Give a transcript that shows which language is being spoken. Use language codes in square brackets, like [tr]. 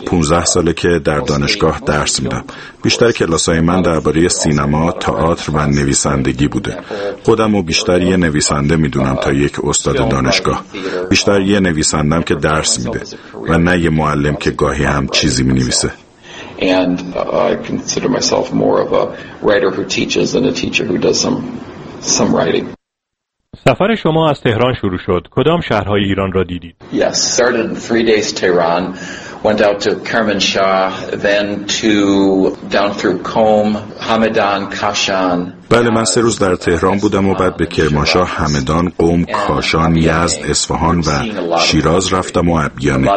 [fa] 15 ساله که در دانشگاه درس میدم. بیشتر کلاسای من درباره سینما، تئاتر و نویسندگی بوده. خودم رو بیشتر یه نویسنده میدونم تا یک استاد دانشگاه. بیشتر یه نویسندم که درس میده و نه یه معلم که گاهی هم چیزی مینویسه. [en] And I consider myself more of a writer who teaches than a teacher who does some writing. [fa] سفر شما از تهران شروع شد. کدام شهرهای ایران را دیدید؟ [en] Yes, started 3 days Tehran, went out to Kermanshah, then to down through Qom, Hamadan, Kashan. [fa] بله، من 3 روز در تهران بودم و بعد به کرمانشاه، همدان، قم، کاشان، یزد، اصفهان و شیراز رفتم و ابیانه.